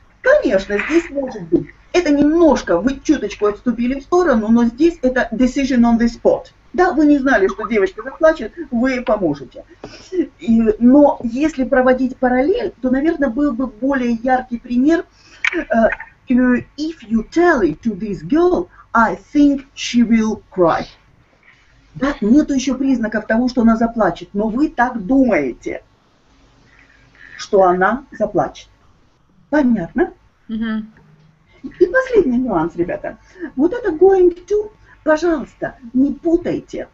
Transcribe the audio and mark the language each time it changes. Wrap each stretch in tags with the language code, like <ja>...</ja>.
<ru>Конечно, здесь может быть. Это немножко, вы чуточку отступили в сторону, но здесь это</ru> <en>decision on the spot.</en> <ru>Да, вы не знали, что девочка заплачет, вы ей поможете. И, но если проводить параллель, то, наверное, был бы более яркий пример.</ru> <en>If you tell it to this girl, I think she will cry.</en> <ru>Да, нету еще признаков того, что она заплачет, но вы так думаете, что она заплачет. Понятно? Mm-hmm. И последний нюанс, ребята. Вот это going to... Пожалуйста, не путайте.</ru>